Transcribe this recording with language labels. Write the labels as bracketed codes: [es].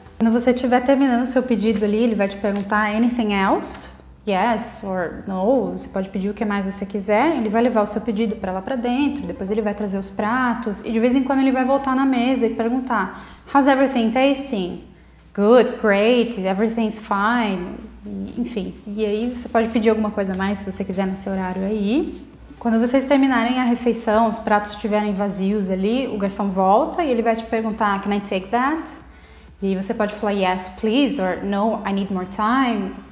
[pt] Quando você estiver terminando o seu pedido ali, ele vai te perguntar [en] anything else, yes or no, [pt] você pode pedir o que mais você quiser. Ele vai levar o seu pedido para lá para dentro, depois ele vai trazer os pratos e de vez em quando ele vai voltar na mesa e perguntar: [en] How's everything tasting? Good, great, everything's fine. [pt] Enfim, e aí você pode pedir alguma coisa a mais se você quiser nesse horário aí. Quando vocês terminarem a refeição, os pratos estiverem vazios ali, o garçom volta e ele vai te perguntar: [en] Can I take that? [pt] E aí você pode falar: [en] Yes, please, or No, I need more time.